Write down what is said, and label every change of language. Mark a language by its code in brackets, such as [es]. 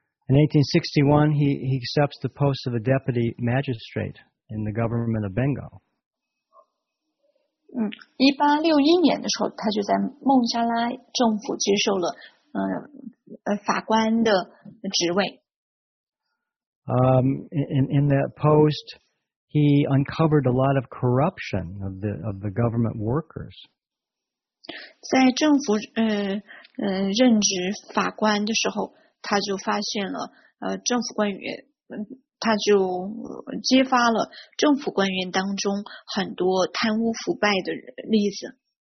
[en] In 1861, he accepts the post of a deputy magistrate in the government of Bengal. [zh] 1861年的时候他就在孟加拉政府接受了法官的职位。 [en] In that post, he uncovered a lot of corruption of the government workers. [zh] 在政府任职法官的时候他就发现了政府官员他就揭发了政府官员当中很多贪污腐败的例子。